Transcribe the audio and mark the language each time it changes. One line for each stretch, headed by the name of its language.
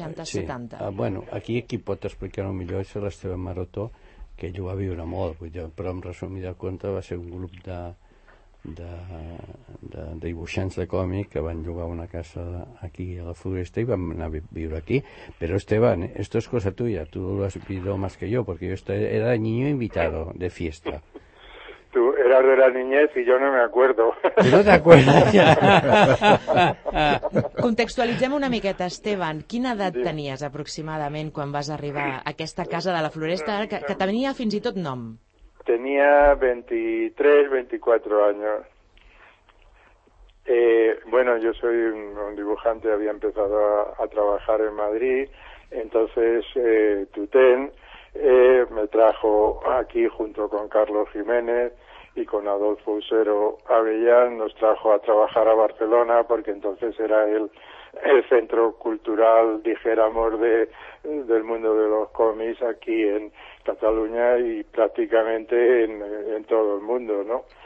Catalan: Sí. Aquí qui pot explicar-ho millor és l'Esteve Maroto, que ell ho va viure molt, vull dir, però en resumida compte va ser un grup de dibuixants de còmic que van llogar una casa aquí a la Floresta i vam anar a viure aquí.
Spanish: Però Esteban, esto es cosa tuya, tú lo has vivido más que yo, porque yo era niño invitado de fiesta. Tú eras de la niñez y yo no me acuerdo. ¿Tú no te acuerdas?
Catalan: Contextualitzem una miqueta, Esteban. Quina edat tenies aproximadament quan vas arribar a aquesta casa de la Floresta, que tenia fins i tot nom?
Spanish: Tenía 23, 24 años. Yo soy un dibujante, había empezado a trabajar en Madrid, entonces Tutén me trajo aquí junto con Carlos Jiménez y con Adolfo Usero Avellán, nos trajo a trabajar a Barcelona porque entonces era el centro cultural, dijéramos, del mundo de los cómics aquí en Cataluña y prácticamente en todo el mundo, ¿no?